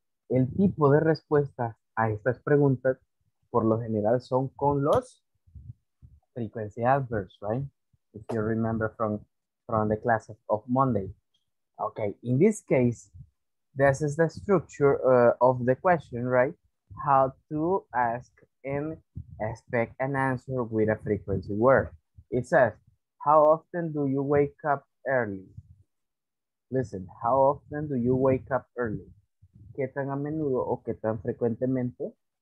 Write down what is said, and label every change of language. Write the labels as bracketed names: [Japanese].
[Spanish] El tipo de respuesta a estas preguntas, por lo general, son con los frequency adverbs, right? [English] If you remember from the class of Monday. Okay, in this case, this is the structure of the question, right? How to ask and expect an answer with a frequency word. It says, how often do you wake up early? Listen, how often do you wake up early? [Spanish] ¿Qué tan a menudo o qué tan frecuentemente?